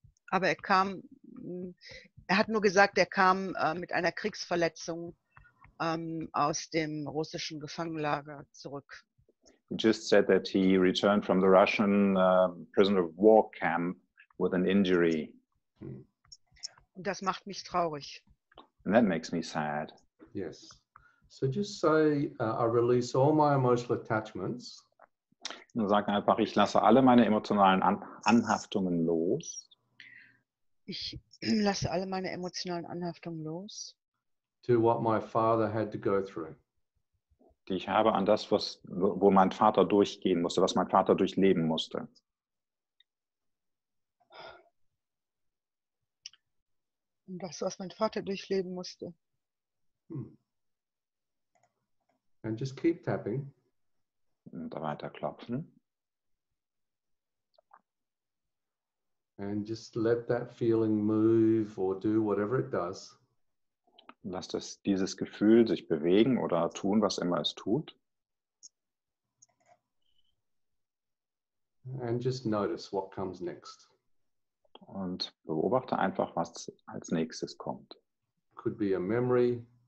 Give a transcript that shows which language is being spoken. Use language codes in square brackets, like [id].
[de] Aber er kam, er hat nur gesagt, er kam mit einer Kriegsverletzung aus dem russischen Gefangenlager zurück. [en] He just said that he returned from the Russian prisoner of war camp with an injury. [de] Und das macht mich traurig. [en] And that makes me sad. Yes. So just say, I release all my emotional attachments. [de] Und sag einfach, ich lasse alle meine emotionalen Anhaftungen los. Ich lasse alle meine emotionalen Anhaftungen los. [en] To what my father had to go through. [de] Die ich habe an das, was, wo mein Vater durchgehen musste, was mein Vater durchleben musste. Das, was mein Vater durchleben musste. Hm. [en] And just keep tapping. [de] Und weiter klopfen. [en] And just let that feeling move or do whatever it does. [de] Lass das, dieses Gefühl sich bewegen oder tun, was immer es tut. [en] And just notice what comes next. [de] Und beobachte einfach, was als nächstes kommt. [en] Could be a memory.